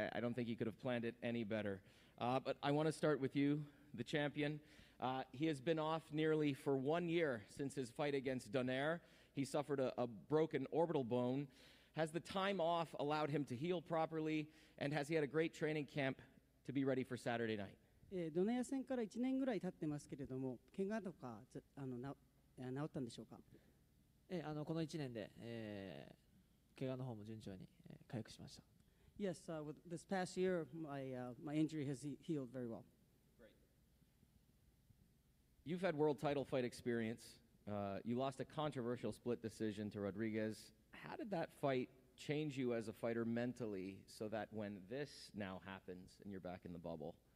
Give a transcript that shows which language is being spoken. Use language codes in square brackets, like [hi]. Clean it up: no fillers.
[en] I don't think he could have planned it any better. But I want to start with you, the champion. He has been off nearly for 1 year since his fight against Donaire. He suffered a broken orbital bone. Has the time off allowed him to heal properly? And has he had a great training camp to be ready for Saturday night? [ja] Donaire 戦から1年ぐらい経ってますけれども、怪我とか治ったんでしょうか？この1年で、怪我の方も順調に、回復しました。 [en] Yes, with this past year, my injury has healed very well. Great. You've had world title fight experience. You lost a controversial split decision to Rodriguez. How did that fight change you as a fighter mentally so that when this now happens and you're back in the bubble?